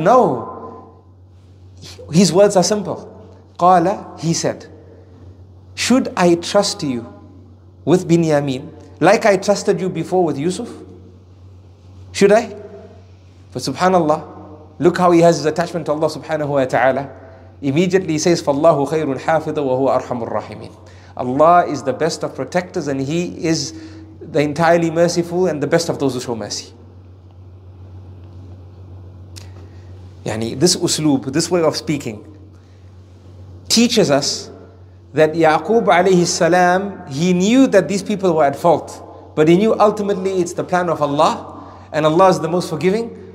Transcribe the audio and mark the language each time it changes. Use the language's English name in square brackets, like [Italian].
[English] No. His words are simple. Qala, he said, should I trust you with Binyamin like I trusted you before with Yusuf? Should I? But subhanallah, look how he has his attachment to Allah subhanahu wa ta'ala. Immediately he says, [Arabic] فَاللَّهُ خَيْرُ الْحَافِظُ وَهُوَ أَرْحَمُ الرَّحِيمِينَ. [English] Allah is the best of protectors and he is the entirely merciful and the best of those who show mercy. Yani, this usloob, this way of speaking, teaches us that Yaqub alayhi salam, he knew that these people were at fault, but he knew ultimately it's the plan of Allah, and Allah is the most forgiving.